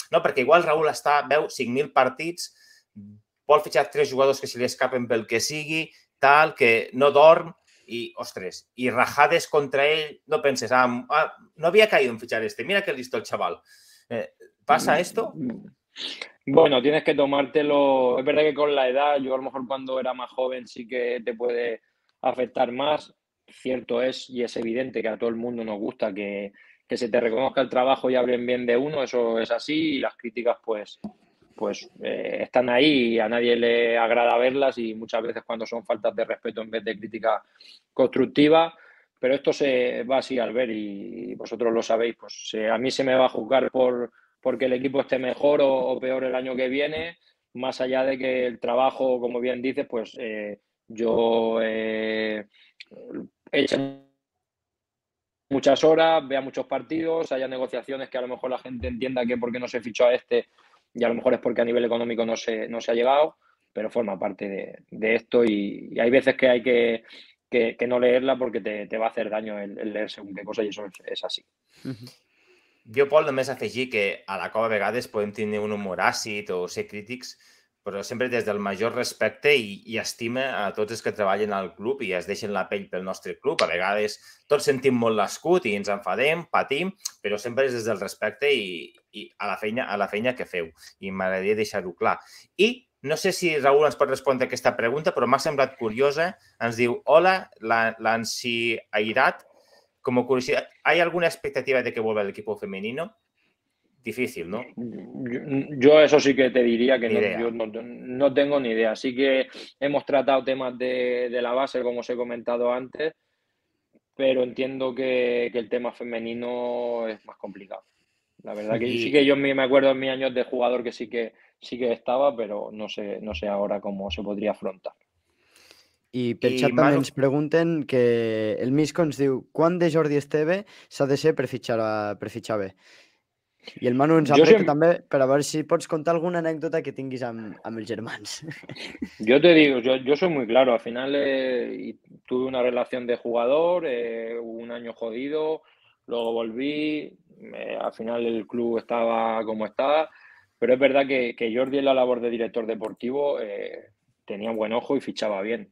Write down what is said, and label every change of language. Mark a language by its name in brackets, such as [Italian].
[Catalan] No, perquè igual Raúl està, veu 5.000 partits, vol fitxar tres jugadors que se li escapen pel que sigui, tal, que no dorm, i, ostres, i rajades contra ell, no penses, no havia [Spanish] caído en fichar este, mira que listo el chaval. ¿Pasa esto? Bueno, tienes que tomártelo, es verdad que con la edad, yo a lo mejor cuando era más joven sí que te puede afectar más, cierto es y es evidente que a todo el mundo nos gusta que se te reconozca el trabajo y hablen bien de uno, eso es así, y las críticas pues están ahí y a nadie le agrada verlas, y muchas veces cuando son faltas de respeto en vez de crítica constructiva, pero esto se va así al ver y vosotros lo sabéis, pues a mí se me va a juzgar porque el equipo esté mejor o peor el año que viene, más allá de que el trabajo, como bien dices, pues yo he hecho muchas horas, vea muchos partidos, haya negociaciones que a lo mejor la gente entienda que por qué no se fichó a este. Y a lo mejor es porque a nivel económico no se ha llegado, pero forma parte de esto. Y hay veces que hay que no leerla porque te va a hacer daño el leer según qué cosa, y eso es así. [Catalan] Yo, Pol, només afegir que a la Cova a vegades podem tenir un humor àcid o ser crítics, però sempre des del major respecte i estima a tots els que treballen al club i es deixen la pell pel nostre club. A vegades tots sentim molt l'escut i ens enfadem, patim, però sempre és des del respecte i a la feina que feu. I m'agradaria deixar-ho clar. I no sé si Raül ens pot respondre a aquesta pregunta, però m'ha semblat curiosa. Ens diu, hola, l'Ansi Airat. Com a curiositat, hi ha alguna expectativa de que vuelva l'equip femenino? [Spanish] Difícil, ¿no? Yo eso sí que te diría que no, yo no tengo ni idea. Sí que hemos tratado temas de la base, como os he comentado antes, pero entiendo que el tema femenino es más complicado. La verdad que sí que yo me acuerdo en mis años de jugador que sí que estaba, pero no sé ahora cómo se podría afrontar. [Catalan] I per xat també ens pregunten que el Misco ens diu quant de Jordi Esteve s'ha de ser per fitxar bé? I el Manu ens apreta també per a veure si pots contar alguna anècdota que tinguis amb els germans. [Spanish] Yo te digo, yo soy muy claro. Al final tuve una relación de jugador, un año jodido, luego volví, al final el club estaba como estaba, pero es verdad que Jordi en la labor de director deportivo tenía buen ojo y fichaba bien.